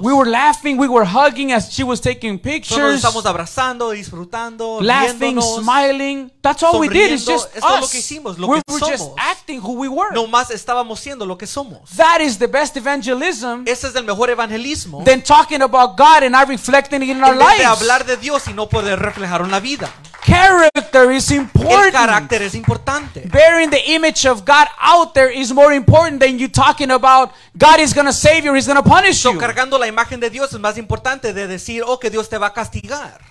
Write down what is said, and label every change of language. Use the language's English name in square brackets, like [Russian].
[English] We were laughing, we were hugging as she was taking pictures. [Spanish] Nos estamos abrazando, disfrutando, [English] laughing, smiling. That's all we did. It's just [Spanish] esto [English] us. [Spanish] Es lo que hicimos, lo [English] we [Spanish] que [English] were [Spanish] somos. [English] Just acting who we were. [Spanish] Nomás estábamos siendo lo que somos. [English] That is the best evangelism. [Spanish] Ese es el mejor evangelismo. [English] Then talking about God and not reflecting it in our lives. [Spanish] De hablar de Dios y no poder reflejarlo en la vida. [English] Character is important. [Spanish] El carácter es importante. [English] Bearing the image of God out there is more important than you talking about God is going to save you or he's going to punish you. [Spanish] So cargando la imagen de Dios es más importante de decir, oh, que Dios te va a castigar.